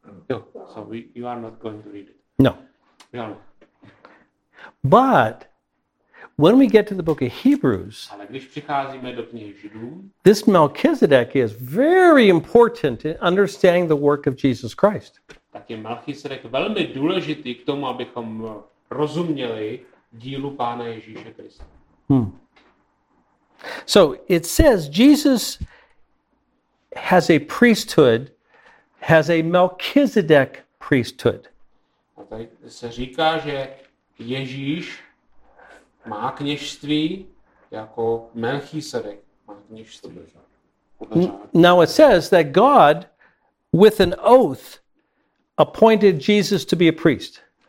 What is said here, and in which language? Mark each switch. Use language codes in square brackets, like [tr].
[en] Jo, so you are not going to read it. No. [cs] Žalme. [en] But when we get to the book of Hebrews, [cs] ale když přicházíme do knihy Židů, [en] this Melchizedek is very important in understanding the work of Jesus Christ. [cs] Tak je Melchizedek velmi důležitý k tomu, abychom rozuměli dílu Pána Ježíše Krista. Hmm. [en] So it says Jesus has a priesthood, has a Melchizedek priesthood. [cs] A tady se říká, že Ježíš má kněžství jako Melchizedek má kněžství. [en] Now it says that God with an oath appointed Jesus to be a priest.